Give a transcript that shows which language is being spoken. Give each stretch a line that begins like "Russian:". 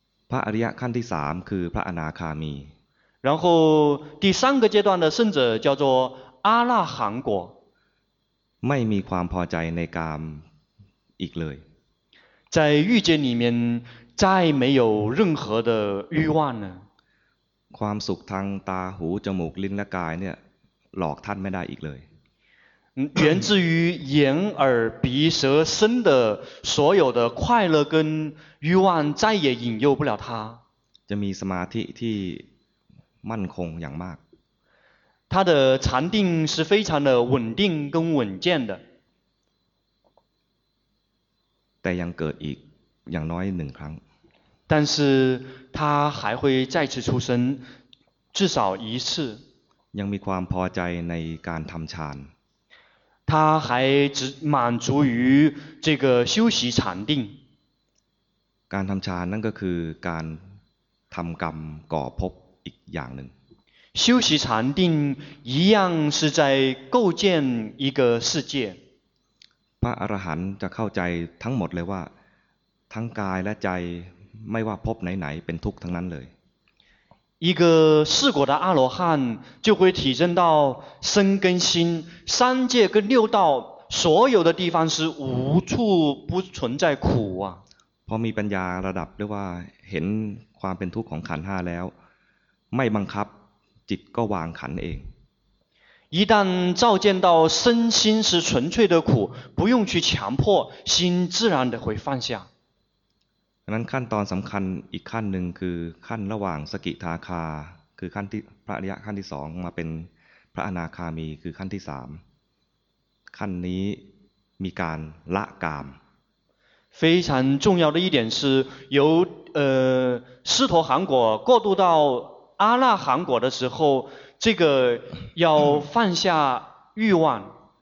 Thai: พระอริยะขั้นที่3คือพระอนาคามี
Chinese: 然后第三个阶段的圣者叫做阿那含果
Thai: ไม่มีความพอใจในกามอีกเลย
Chinese: 在欲界里面再没有任何的欲望呢
Thai: ความสุขทางตาหูจมูกลิ้นและกายเนี่ยหลอกท่านไม่ได้อีกเลย
Chinese: 源自于眼耳鼻舌身的所有的快乐跟欲望再也引诱不了他
Thai: จะมีสมาธิที่มั่นคงอย่างมาก
Chinese: 他的禅定是非常的稳定跟稳健的
Thai: แต่ยังเกิดอีกอย่างน้อยหนึ่งครั้ง
Chinese: 但是他还会再次出生至少一次
Thai: ยังมีความพอใจในการทำฌาน
Chinese: 他还只满足于这个修习禅定
Thai: การทำฌานนั่นก็คือการทำกรรมก่อภพอีกอย่างหนึ่ง
Chinese: 修习禅定一样是在构建一个世界
Thai: พระอรหันต์จะเข้าใจทั้งหมดเลยว่าทั้งกายและใจไม่ว่าพบไหนๆเป็นทุกข์ทั้งนั้นเลย
Chinese: 一个四果的阿罗汉就会体证到身跟心三界跟六道所有的地方是无处不存在苦啊
Thai: พอมีปัญญาระดับเรียกว่าเห็นความเป็นทุกข์ของขันธ์5แล้วไม่บังคับจิตก็วางขันธ์เอง
Chinese: 一旦照见到身心是纯粹的苦不用去强迫心自然的会放下
Thai: นั้นขั้นตอนสำคัญอีกขั้นหนึ่งคือขั้นระหว่างสกิทาคาคือขั้นที่พระอริยะขั้นที่สองมาเป็นพระอนาคามีคือขั้นที่สามขั้นนี้มีการละกาม
Chinese: 非常重要的一点是由斯陀含果过渡到阿那含果的时候这个要放下欲望